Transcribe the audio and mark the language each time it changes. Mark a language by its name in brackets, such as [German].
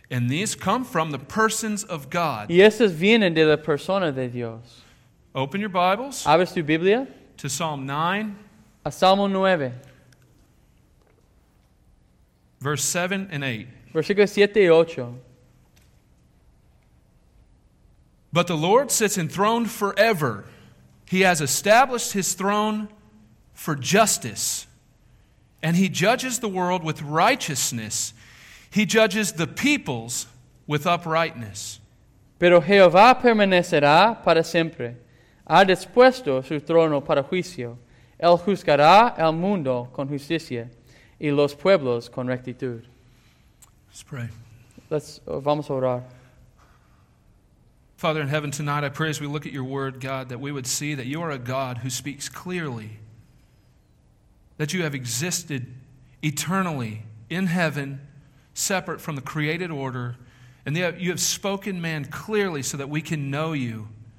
[English] And these come from the persons of God. [Spanish] Y estos vienen de la persona de Dios. [English] Open your Bibles. [Spanish] Abres tu Biblia. [English] To Psalm 9. [Spanish] A Salmo 9. [English] Verse 7 and 8. [Spanish] Versículos 7 y 8. [English] But the Lord sits enthroned forever. He has established his throne for justice. And he judges the world with righteousness. He judges the peoples with uprightness. [Spanish] Pero Jehová permanecerá para siempre. Ha dispuesto su trono para juicio. Él juzgará el mundo con justicia y los pueblos con rectitud. [English] Let's pray. [Spanish] Vamos a orar. [English] Father in heaven, tonight I pray as we look at your word, God, that we would see that you are a God who speaks clearly, that you have existed eternally in heaven, separate from the created order, and that you have spoken man clearly so that we can know you.